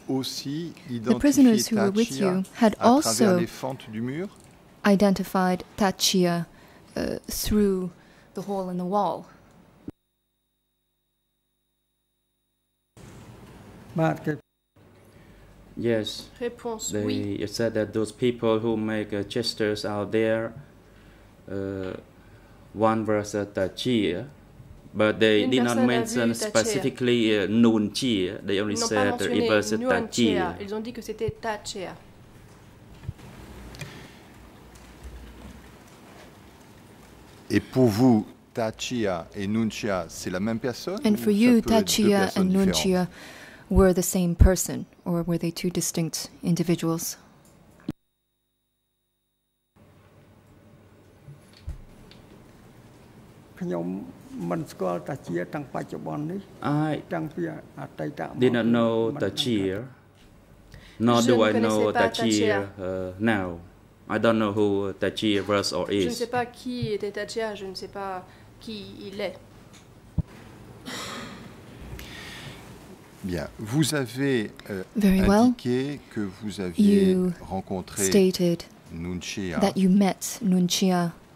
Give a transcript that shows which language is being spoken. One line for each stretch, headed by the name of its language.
French: ils ont aussi identifié Tachia à travers les fentes du mur.
English: Identified Tachia through the hole in the wall. Yes.
French: Réponse,
English: they
French: oui.
English: Said that those people who make gestures out there, one was Tachia. But they did not mention specifically Nun Chia. They only said it was Tachia.
French: Ils ont dit que c'était Tachia. Et pour vous, Tachia et Nun Chia, c'est la même personne?
English: And for you, Tachia and Nun Chia were the same person, or were they two distinct individuals? I did not know Tachia, nor do I know Tachia now. I don't know who Tachia was or is.
French: Je ne sais pas qui était Tachia, je ne sais pas qui il est. Bien, vous avez indiqué que vous aviez rencontré Nun Chia,
English: that you met Nun Chia